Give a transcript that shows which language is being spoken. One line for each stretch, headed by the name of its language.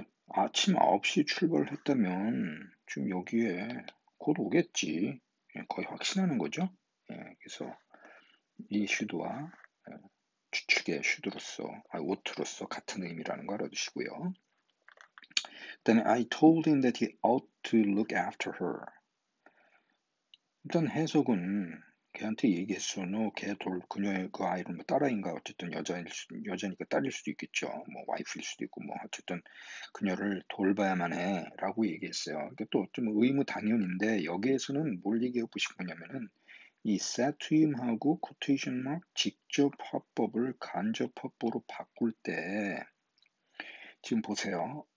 Korean: 아침 9시 출발을 했다면 지금 여기에 곧 오겠지. 거의 확신하는 거죠. 그래서 이 슈드와 추측의 슈드로서, 워트로서 같은 의미라는 거 알아두시고요.
English: Then I told him that he ought to look after her.
Korean: 일단 해석은 걔한테 얘기했어. 너걔 돌, 그녀의 그 아이를 뭐 딸아이인가 어쨌든 여자니까 딸일 수도 있겠죠. 뭐 와이프일 수도 있고 뭐 어쨌든 그녀를 돌봐야만 해라고 얘기했어요. 이게 또좀 의무 당연인데 여기에서는 뭘 얘기하고 싶은 거냐면은 이
English: set to him
Korean: 하고 quotation mark 직접 화법을 간접 화법으로 바꿀 때 지금 보세요.